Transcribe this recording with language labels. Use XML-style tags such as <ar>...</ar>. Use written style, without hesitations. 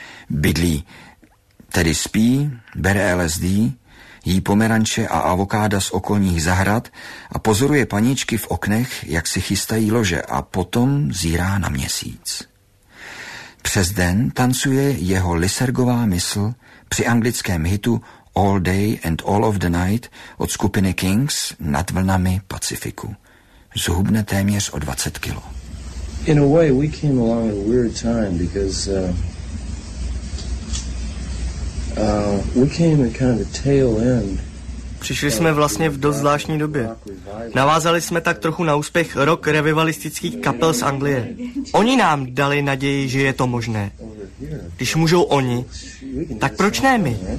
<cs>Bydlí, tedy spí, bere LSD, jí pomeranče a avokáda z okolních zahrad a pozoruje paničky v oknech, jak si chystají lože a potom zírá na měsíc. Přes den tancuje jeho lisergová mysl při anglickém hitu All Day and All of the Night od skupiny Kings nad vlnami Pacifiku. Zhubne téměř o 20 kilo.</cs> <en>In a way, we came along at a weird time because we came at kind of the tail end.</en> <cs>Přišli jsme vlastně v dost zvláštní době. Navázali jsme tak trochu na úspěch rock revivalistických kapel z Anglie. Oni nám dali naději, že je to možné. Když můžou oni, tak proč ne my?</cs>